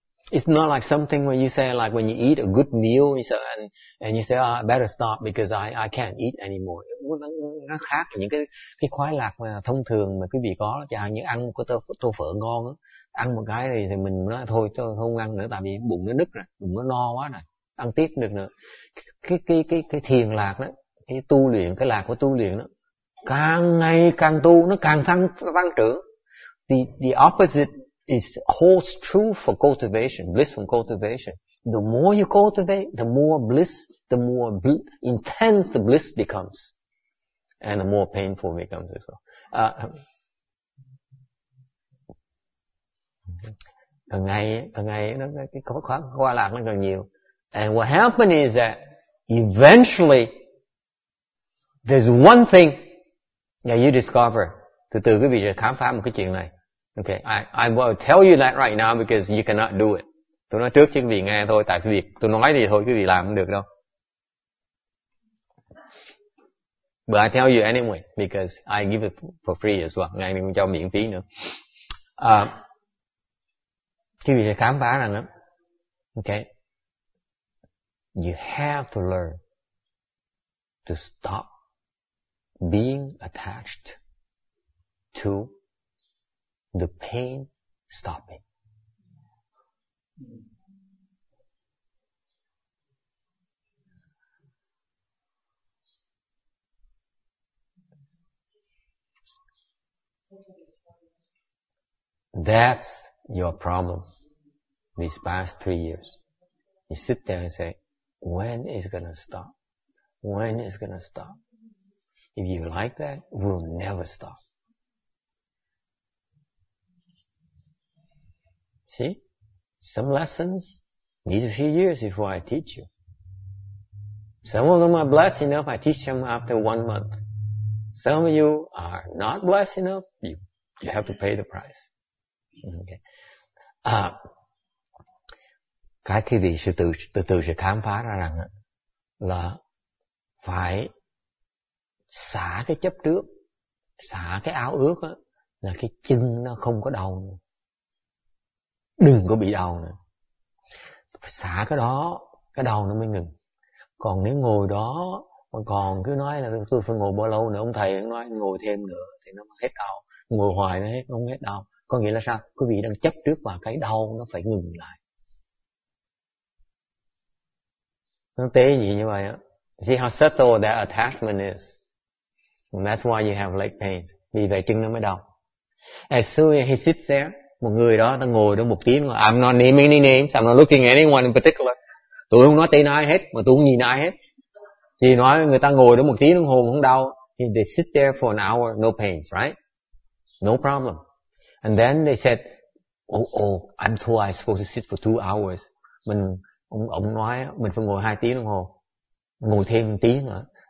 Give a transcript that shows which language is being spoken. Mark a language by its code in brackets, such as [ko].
[en] It's not like something where you say, like when you eat a good meal, you say, and you say, oh, I better stop because I can't eat anymore. [vi] Nó khác những cái khoái lạc mà thông thường mà quý vị có, chẳng hạn như ăn một cái tô phở ngon, ăn một cái thì mình nói thôi, tôi không ăn nữa, tại vì bụng nó nứt rồi, bụng nó no quá rồi, ăn tiếp được nữa. Cái thiền lạc đó, cái tu luyện, cái lạc của tu luyện đó, càng ngày càng tu, nó càng tăng trưởng. [en] The opposite is holds true for cultivation, blissful cultivation. The more you cultivate, the more bliss, the more intense the bliss becomes, and the more painful it becomes as well. [vi] Càng ngày nó cái khoa lạc nó càng nhiều. [en] And what happens is that eventually there's one thing that you discover. [vi] Từ từ quý vị sẽ khám phá một cái chuyện này. [en] Okay, I will tell you that right now because you cannot do it. [vi] Tôi nói trước chứ quý vị nghe thôi, tại quý vị tôi nói thì thôi quý vị làm không được đâu. [en] But I tell you anyway because I give it for free as well. [vi] Ngày mình cho miễn phí nữa. Quý vị sẽ khám phá rằng đó. [en] Okay. You have to learn to stop being attached to the pain stopping. That's your problem these past 3 years. You sit there and say, when is it going to stop? When is it going to stop? If you like that, we'll never stop. See, some lessons need a few years before I teach you. Some of them are blessed enough, I teach them after 1 month. Some of you are not blessed enough, you have to pay the price. Okay. [vi] Cái quý vị sẽ từ từ sẽ khám phá ra rằng là phải xả cái chấp trước, xả cái ao ước đó, là cái chân nó không có đau nữa. Đừng có bị đau nữa. Xả cái đó, cái đau nó mới ngừng. Còn nếu ngồi đó mà còn cứ nói là tôi phải ngồi bao lâu nữa, ông thầy nói ngồi thêm nữa thì nó hết đau. Ngồi hoài nó hết, không hết đau. Có nghĩa là sao? Quý vị đang chấp trước vào cái đau nó phải ngừng lại. Nó tế gì như vậy á? [en] See how subtle that attachment is. And that's why you have leg pains. [vi] Vì vậy chân nó mới đau. [en] As soon as he sits there, [vi] một người đó ta ngồi đó một tiếng, [en] I'm not naming any names, I'm not looking at anyone in particular. [vi] Tôi không nói tên ai hết, mà tôi không nhìn ai hết. Thì nói người ta ngồi đó một tiếng đồng hồ không đau. [en] They sit there for an hour, no pains, right? No problem. And then they said, oh, I'm told I'm supposed to sit for 2 hours. [vi] Ông nói mình phải ngồi 2 tiếng đồng hồ, ngồi thêm 1 tiếng nữa.